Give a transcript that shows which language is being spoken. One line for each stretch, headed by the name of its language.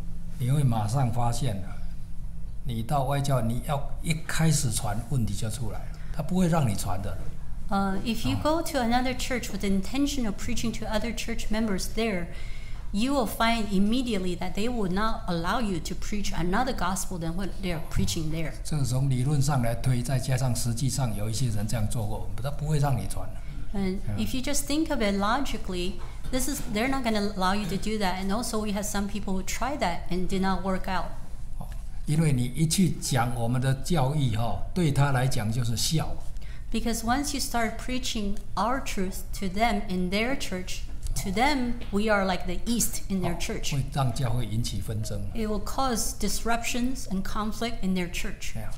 Chinese: 这个是这样，如果为着传福音，你会马上发现的。你到外教，你要一开始传，问题就出来了，他不会让你传的。
English: If you go to another church with the intention of preaching to other church members there, you will find immediately that they will not allow you to preach another gospel than what they are preaching there.
Chinese: 这是从理论上来推，再加上实际上有一些人这样做过，他不会让你传。
English: And if you just think of it logically, they're not going to allow you to do that. And also, we have some people who tried that and did not work out.
Chinese: 因为你一去讲我们的教义，对他来讲就是笑。
English: Because once you start preaching our truth to them in their church, to them, we are like the yeast in their church.
Chinese: 会让教会引起纷争。
English: It will cause disruptions and conflict in their church.